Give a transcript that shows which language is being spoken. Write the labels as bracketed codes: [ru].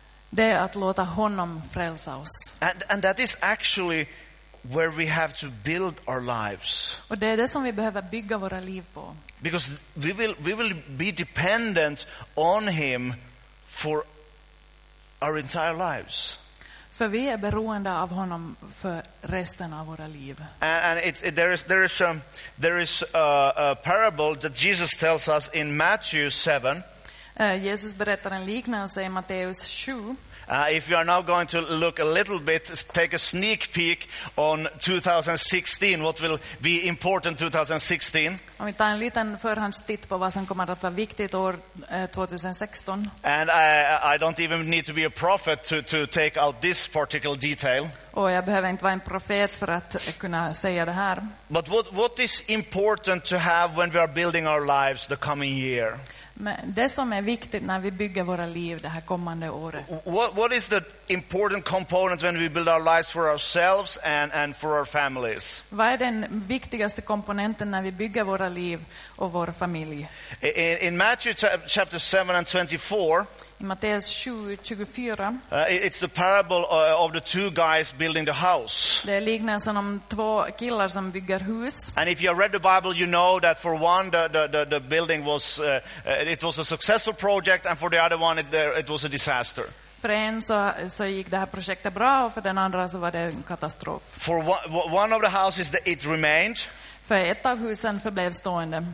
[sv] Det är att låta honom frälsa oss. [en] And that is actually where we have to build our lives. [sv] Och det är det som vi behöver bygga våra liv på. [en] Because we will be dependent on him for our entire lives. [sv] För vi är beroende av honom för resten av våra liv. [en] And there is a parable that Jesus tells us in Matthew 7. [sv] Jesus berättar en liknelse i Matteus 7. [en] If you are now going to look a little bit, take a sneak peek on 2016, what will be important 2016. [sv] Om vi tar en liten förhandstitt på vad som kommer att vara viktigt år 2016. [en] And I don't even need to be a prophet to take out this particular detail. [sv] Och jag behöver inte vara en profet för att kunna säga det här. [en] But what is important to have when we are building our lives the coming year? [sv] Men det som är viktigt när vi bygger våra liv det här kommande året. [en] What is the important component when we build our lives for ourselves and for our families? [sv] Vad är den viktigaste komponenten när vi bygger våra liv och vår familj? [en] In Matthew chapter 7 and 24. [sv] I Matteus 7:24. [en] It's the parable of the two guys building the house. [sv] Det är liknelsen om två killar som bygger hus. [en] And if you read the Bible, you know that for one the building was it was a successful project, and for the other one it was a disaster. [sv] För en så gick det här projektet bra, och för den andra så var det en katastrof. [en] For one of the houses, it remained. [sv] För ett av husen förblev stående.